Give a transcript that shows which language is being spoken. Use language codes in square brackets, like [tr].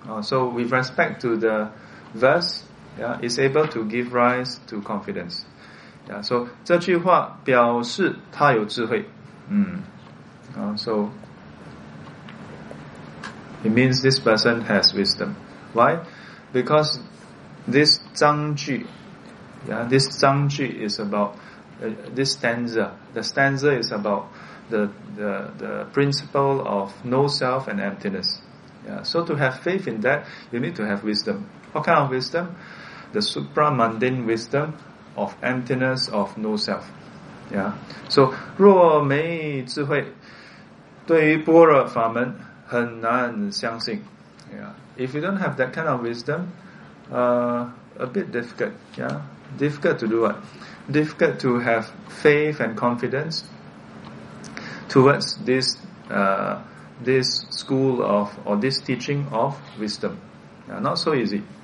[en] So with respect to the verse, it's able to give rise to confidence. [zh] So 这句话表示他有智慧。 [en] So it means this person has wisdom. Why? Because this 章句, this 章句 is about this stanza. The stanza is about the principle of no self and emptiness. So to have faith in that, you need to have wisdom. What kind of wisdom? The supramundane wisdom of emptiness, of no self. [zh] So 若没智慧对于般若法门很难相信。 [en] If you don't have that kind of wisdom, a bit difficult. Difficult to do what? Difficult to have faith and confidence towards this this school of, or this teaching of wisdom. Not so easy.